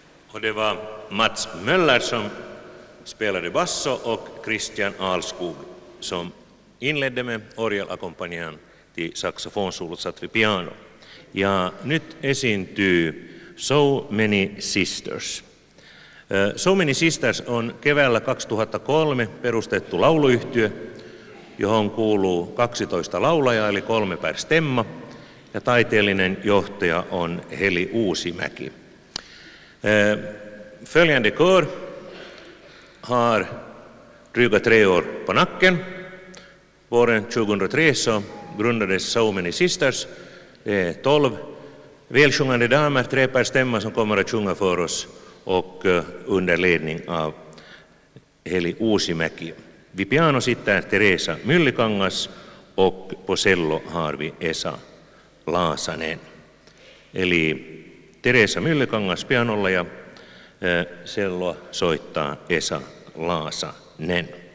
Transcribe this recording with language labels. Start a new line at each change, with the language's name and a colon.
Swedish: Och det var Mats Möller som spelade basso och Christian Ahlskog som inledde med orgelackompanjan till saxofonsolot satt vid piano.
Finnish: Ja nyt esiintyy So Many Sisters. So Many Sisters on keväällä 2003 perustettu lauluyhtiö, johon kuuluu 12 laulajaa eli 3 per stemma, ja taiteellinen johtaja on Heli Uusimäki.
Swedish: Följande kör har dryga 3 år på nacken. Våren 2003 så grundades So Many Sisters. Det är 12 välsjungande damer, 3 per stämma som kommer att sjunga för oss och under ledning av Heli Uusimäki. Vid piano sitter Teresa Myllykangas och på cello har vi Esa Laasanen.
Finnish: Eli Teresa Myllykangas pianolla ja selloa soittaa Esa Laasanen.